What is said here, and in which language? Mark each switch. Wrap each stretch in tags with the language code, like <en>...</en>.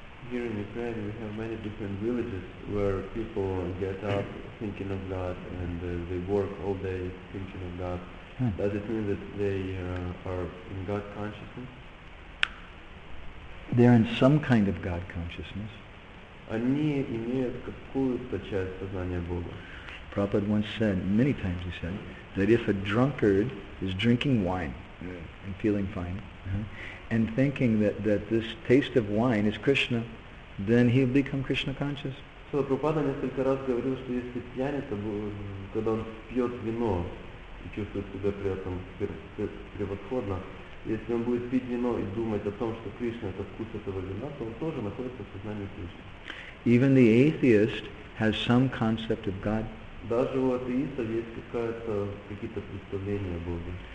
<en>Here in Ukraine, we have many different villages where people get up thinking of God and they work all day thinking of God. Does it mean that they are in God consciousness? They are in some kind of God consciousness.</en> <ru>Они имеют какую-то часть сознания Бога.</ru> <en>Prabhupada once said, many times he said, that if a drunkard is drinking wine and feeling fine, and thinking that this taste of wine is Krishna, then he'll become Krishna conscious.</en> <ru>Сила Прабхупада несколько раз говорил, что если пьяница, когда он пьет вино и чувствует себя при этом превосходно, если он будет пить вино и думать о том, что Кришна – это вкус этого вина, то он тоже находится в сознании Кришны.</ru> <en>Even the atheist has some concept of God.</en> <ru>Даже у атеистов есть какие-то представления о Боге.</ru>